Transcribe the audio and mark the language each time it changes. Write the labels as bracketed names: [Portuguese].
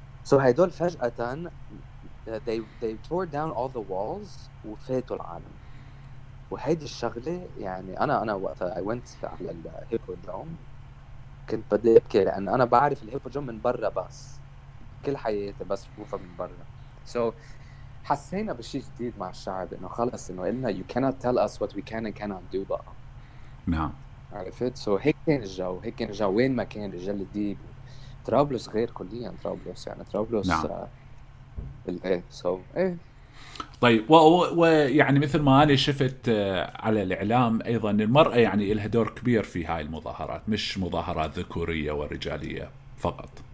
[English] So [Arabic] هيدول فجأة [English] they tore down all the walls [Arabic] وفاتوا العالم. وهيدي الشغلة يعني أنا وقتها [English] I went [Arabic] على الهيبودروم كنت بدي أبكي، لأن أنا بعرف الهيبودروم من برا، بس كل حياتي بس بشوفها من برا. [English] So [Arabic] حسينا بشيء جديد مع الشعب، انه خلص انه قلنا [English] you cannot tell us what we can and cannot do [Arabic] بقى. نعم. عرفت؟ [English] so [Arabic] هيك كان الجو، هيك كان الجو وين ما كان، رجال الديب. طرابلس غير كليا، طرابلس يعني طرابلس. نعم. طيب ويعني مثل ما انا شفت على الاعلام ايضا، المراه يعني لها دور كبير في هاي المظاهرات، مش مظاهرات ذكوريه ورجاليه فقط.